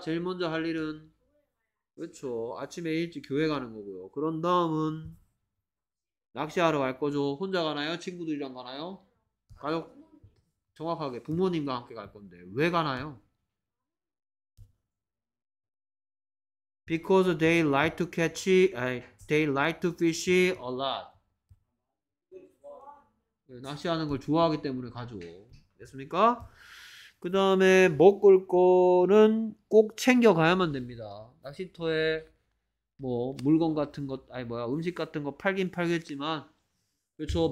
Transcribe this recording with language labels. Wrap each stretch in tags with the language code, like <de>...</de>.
<ko>제일 먼저 할 일은 그렇죠. 아침에 일찍 교회 가는 거고요. 그런 다음은 낚시하러 갈 거죠. 혼자 가나요? 친구들이랑 가나요? 가족 정확하게 부모님과 함께 갈 건데 왜 가나요?</ko> <en>Because they like to catch, they like to fish a lot.</en> <ko>낚시하는 걸 좋아하기 때문에 가죠. 됐습니까? 그 다음에 먹을 거는 꼭 챙겨가야만 됩니다. 낚시터에 뭐 물건 같은 것, 아니 뭐야, 음식 같은 거 팔긴 팔겠지만, 그렇죠.</ko>